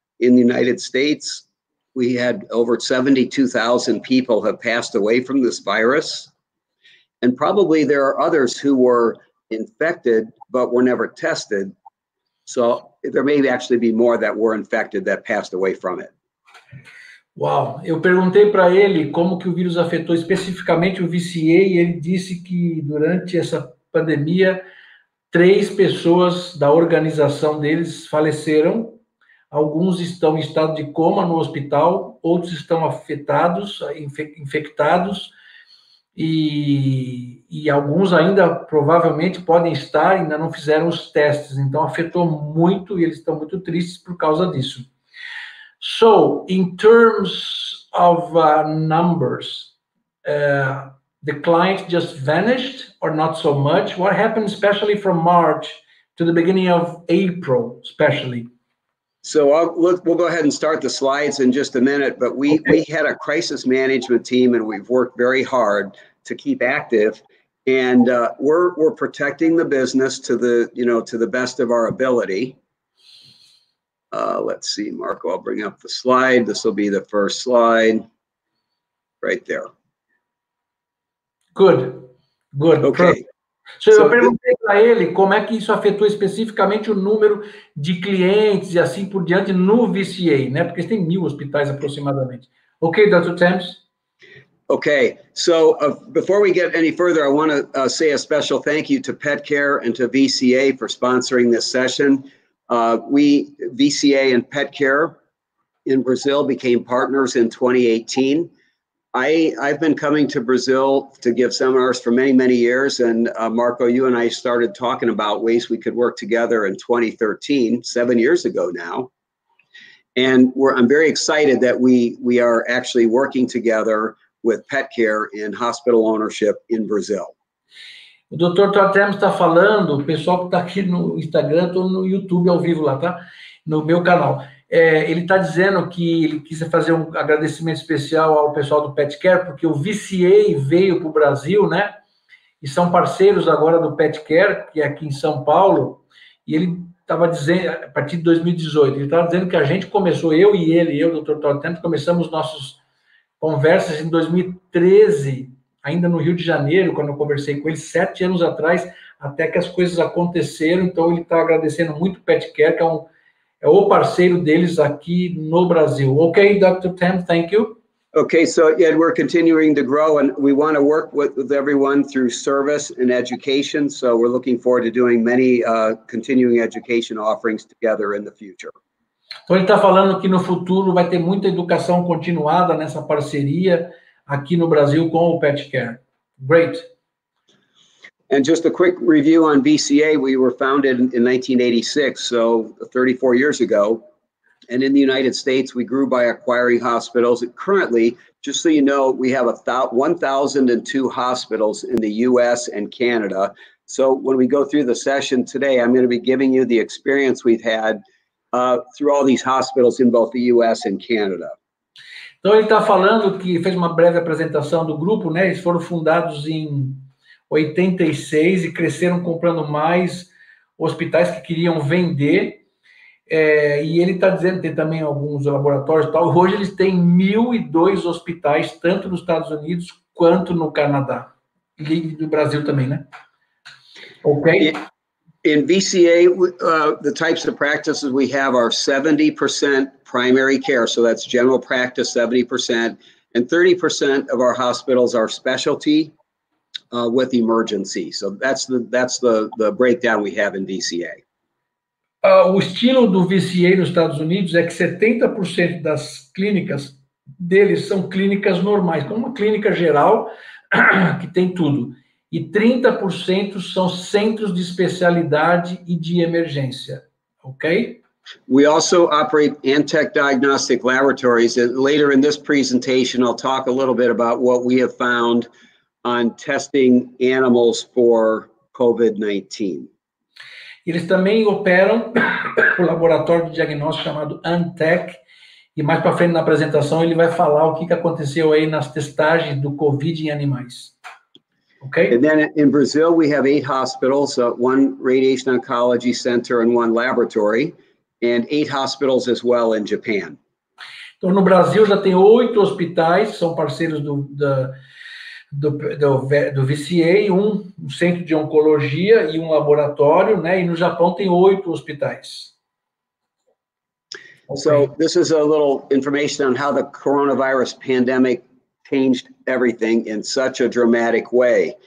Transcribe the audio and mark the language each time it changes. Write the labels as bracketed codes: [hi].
[en] In the United States, we had over 72,000 people have passed away from this virus. And probably there are others who were infected but were never tested. So there may actually be more that were infected that passed away from it. [pt] Uau! Eu perguntei para ele como que o vírus afetou especificamente o VCA, e ele disse que durante essa pandemia, três pessoas da organização deles faleceram. Alguns estão em estado de coma no hospital, outros estão afetados, infectados, e alguns ainda provavelmente podem estar, ainda não fizeram os testes. Então, afetou muito e eles estão muito tristes por causa disso. [en] So, in terms of numbers, the client just vanished or not so much? What happened especially from March to the beginning of April, especially? So we'll go ahead and start the slides in just a minute, but we had a crisis management team, and we've worked very hard to keep active, and we're protecting the business to the, you know, to the best of our ability. Let's see, Marco, I'll bring up the slide. This will be the first slide right there. Good. Okay. [pt] So eu perguntei para ele como é que isso afetou especificamente o número de clientes e assim por diante no VCA, né? Porque tem 1,000 hospitais aproximadamente. Okay, Dr. Tams. [en] Okay. So before we get any further, I want to say a special thank you to Pet Care and to VCA for sponsoring this session. We, VCA and Pet Care in Brazil, became partners in 2018. I've been coming to Brazil to give seminars for many, many years. And Marco, you and I started talking about ways we could work together in 2013, 7 years ago now. And I'm very excited that we are actually working together with Pet Care in hospital ownership in Brazil. [pt] O Dr. Tartem está falando, o pessoal que está aqui no Instagram, ou no YouTube ao vivo lá, tá? No meu canal. É, ele está dizendo que ele quis fazer um agradecimento especial ao pessoal do Pet Care, porque o VCA veio para o Brasil, né? E são parceiros agora do Pet Care, que é aqui em São Paulo. E ele estava dizendo, a partir de 2018, ele estava dizendo que a gente começou, eu e ele, Dr. Todd Tams, começamos nossas conversas em 2013, ainda no Rio de Janeiro, quando eu conversei com ele, 7 anos atrás, até que as coisas aconteceram. Então, ele está agradecendo muito o Pet Care, que é é o parceiro deles aqui no Brasil. [en] Okay, Dr. Tam, thank you. Okay, so yeah, we're continuing to grow, and we want to work with everyone through service and education. So we're looking forward to doing many continuing education offerings together in the future. [pt] Então ele está falando que no futuro vai ter muita educação continuada nessa parceria aqui no Brasil com o Pet Care. [en] Great. And just a quick review on VCA, we were founded in 1986, so 34 years ago. And in the United States, we grew by acquiring hospitals. Currently, just so you know, we have 1,002 hospitals in the US and Canada. So when we go through the session today, I'm going to be giving you the experience we've had through all these hospitals in both the US and Canada. [pt] Então, ele está falando que fez uma breve apresentação do grupo, né? Eles foram fundados em 86 e cresceram comprando mais hospitais que queriam vender, e ele está dizendo que tem também alguns laboratórios e tal. Hoje eles têm 1,002 hospitais, tanto nos Estados Unidos quanto no Canadá, e no Brasil também, né? Ok? [en] In VCA, the types of practices we have are 70% primary care, so that's general practice, 70%, and 30% of our hospitals are specialty with emergency. So that's the breakdown we have in VCA. [pt] O estilo do VCA nos Estados Unidos é que 70% das clínicas deles são clínicas normais, como uma clínica geral que tem tudo. E 30% são centros de especialidade e de emergência. Ok? [en] We also operate Antech Diagnostic Laboratories. Later in this presentation, I'll talk a little bit about what we have found on testing animals for COVID-19. [pt] Eles também operam o laboratório de diagnóstico chamado Antech. E mais para frente na apresentação, ele vai falar o que aconteceu aí nas testagens do COVID em animais. [en] Okay. And then in Brazil, we have 8 hospitals, one radiation oncology center and one laboratory, and 8 hospitals as well in Japan. [pt] Então, no Brasil, já tem 8 hospitais, são parceiros do VCA, um centro de oncologia e um laboratório, né? E no Japão tem 8 hospitais. [en] Okay. So, this is a little information on how the coronavirus pandemic changed everything in such a dramatic way.